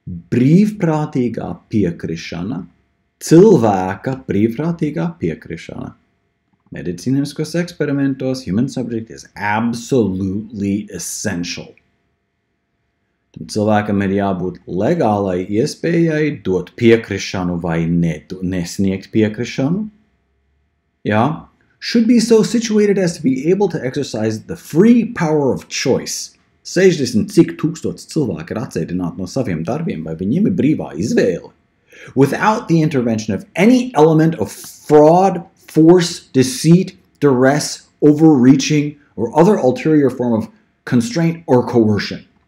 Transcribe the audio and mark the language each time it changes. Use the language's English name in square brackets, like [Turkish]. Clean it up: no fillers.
[Latvian] Brīvprātīgā piekrišana, cilvēka brīvprātīgā piekrišana. Medicīniskos eksperimentos, [English] human subject is absolutely essential. [Latvian] Tam cilvēkam ir jābūt legālai iespējai dot piekrišanu vai nesniegt piekrišanu. Ja? [English] Should be so situated as to be able to exercise the free power of choice. [Latvian] 60 cik tūkstots cilvēki ir atsēdināti no saviem darbiem, vai viņiem ir brīvā izvēle. [English] Without the intervention of any element of fraud, force, deceit, duress, overreaching, or other ulterior form of constraint or coercion.